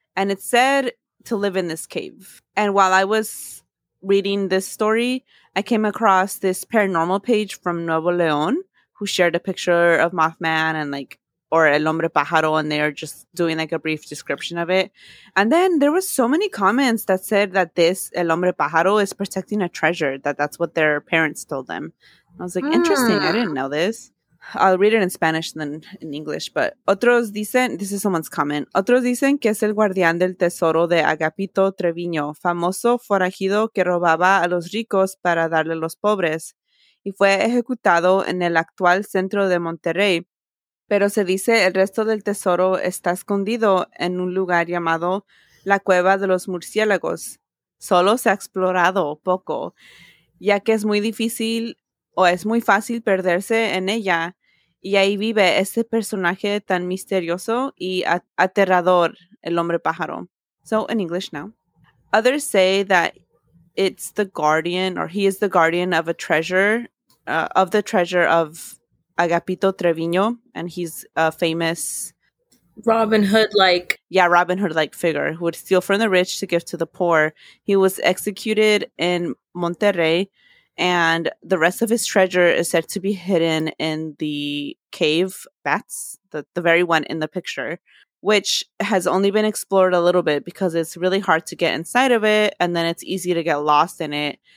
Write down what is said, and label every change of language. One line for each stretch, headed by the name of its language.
English: And it said to live in this cave. And while I was reading this story, I came across this paranormal page from Nuevo León, who shared a picture of Mothman and or El Hombre Pájaro, and they're just doing a brief description of it. And then there were so many comments that said that this El Hombre Pájaro is protecting a treasure, that's what their parents told them. I was like, interesting. I didn't know this. I'll read it in Spanish and then in English. But
Spanish: otros dicen,
English: this is someone's comment.
Spanish: Otros dicen que es el guardián del tesoro de Agapito Treviño, famoso forajido que robaba a los ricos para darle a los pobres. Y fue ejecutado en el actual centro de Monterrey. Pero se dice el resto del tesoro está escondido en un lugar llamado la Cueva de los Murciélagos. Solo se ha explorado poco, ya que es muy difícil o es muy fácil perderse en ella. Y ahí vive ese personaje tan misterioso y aterrador, el hombre pájaro.
English: So, in English now. Others say that it's the guardian, or he is the guardian of a treasure, of the treasure of Agapito Treviño, and he's a famous Robin Hood-like figure who would steal from the rich to give to the poor. He was executed in Monterrey, and the rest of his treasure is said to be hidden in the cave bats, the very one in the picture, which has only been explored a little bit because it's really hard to get inside of it, and then it's easy to get lost in it.